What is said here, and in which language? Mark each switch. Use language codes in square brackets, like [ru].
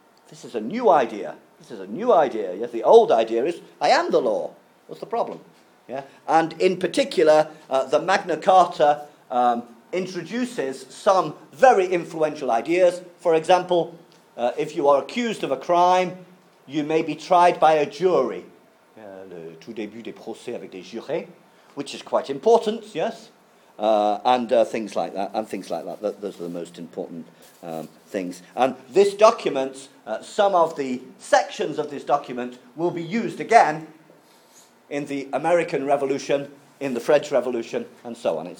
[en] This is a new idea. This is a new idea. Yes, the old idea is, I am the law. What's the problem? Yeah. And in particular, the Magna Carta introduces some very influential ideas. For example, if you are accused of a crime, you may be tried by a jury. [fr] Le tout début des procès avec des jurés, [en] which is quite important, yes. Things like that, and things like that. Those are the most important things. And this document, some of the sections of this document will be used again in the American Revolution, in the French Revolution, and so on.